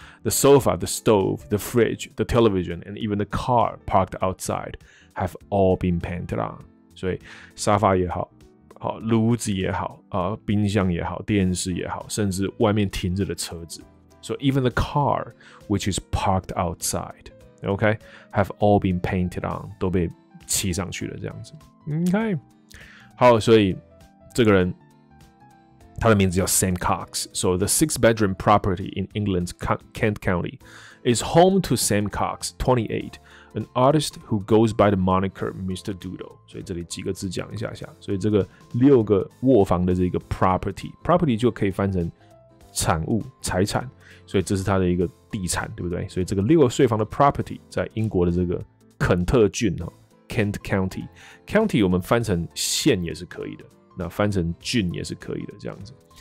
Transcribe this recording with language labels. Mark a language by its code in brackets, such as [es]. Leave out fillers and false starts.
[en] The sofa, the stove, the fridge, the television, and even the car parked outside have all been painted on。 [zh] 所以沙发也好，好炉子也好，冰箱也好，电视也好，甚至外面停着的车子。 [en] So even the car, which is parked outside, okay, have all been painted on, [zh] 都被漆上去了这样子。 Okay, 好，所以这个人他的名字叫 Sam Cox. [en] So the 6-bedroom property in England's Kent County is home to Sam Cox, 28, an artist who goes by the moniker Mr. Doodle. [zh] 所以这里几个字讲一下下。所以这个六个卧房的这个 property 就可以翻成产物、财产。所以这是他的一个地产，对不对？所以这个六个睡房的 property 在英国的这个肯特郡 Kent County， County 我们翻成县也是可以的，那翻成郡也是可以的，这样子。